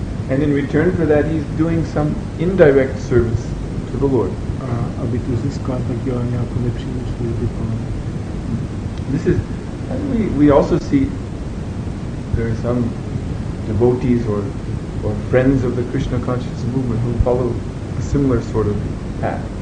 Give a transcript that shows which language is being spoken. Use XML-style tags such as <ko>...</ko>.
<en>And in return for that, he's doing some indirect service to the Lord.</en> <cs>Aby tu získal, tak dělá nějakou nepřímou službu Pánu.</cs> <en>This is, and we also see there are some devotees or friends of the Krishna conscious movement who follow a similar sort of path.</en>